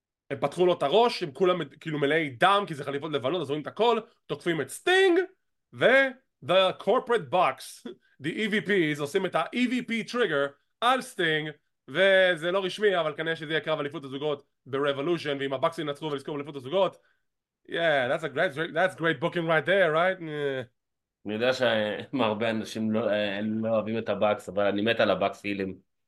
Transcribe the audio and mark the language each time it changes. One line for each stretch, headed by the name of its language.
Hebrew: הם פתחו לו את הראש, הם כולם כאילו מלאי דם, כי זה חליפות לבנות, אז רואים את הכל, תוקפים את סטינג, ו-
English: The corporate box, the EVPs,
Hebrew: עושים את ה-EVP trigger על סטינג, וזה לא רשמי, אבל כנראה שזה יהיה קרב אליפות הזוגות ב-Revolution, ועם הבקסים נצחו ולזכור אליפות הזוגות.
English: Yeah, that's a great booking right there, right?
Hebrew: אני יודע שהרבה אנשים לא אוהבים את הבקס, אבל אני מת על הבקס פילים.